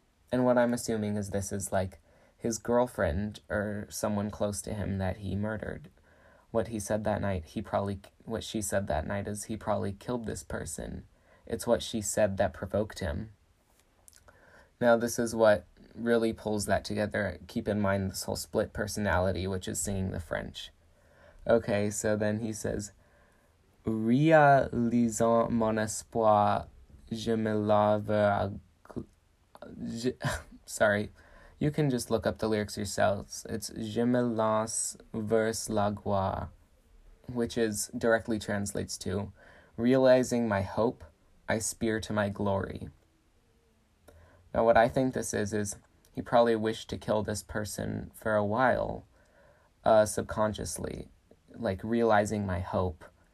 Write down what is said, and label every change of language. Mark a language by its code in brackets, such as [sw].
[en] And what I'm assuming is this is, like, his girlfriend or someone close to him that he murdered. What he said that night, what she said that night is he probably killed this person. It's what she said that provoked him. Now, this is what really pulls that together. Keep in mind this whole split personality, which is singing the French. Okay, so then he says, [fr] réalisant mon espoir, je me lave à... [en] Sorry, you can just look up the lyrics yourselves. It's [fr] Je me lance vers la gloire, [en] which is directly translates to realizing my hope, I spear to my glory. Now, what I think this is he probably wished to kill this person for a while, subconsciously, like realizing my hope.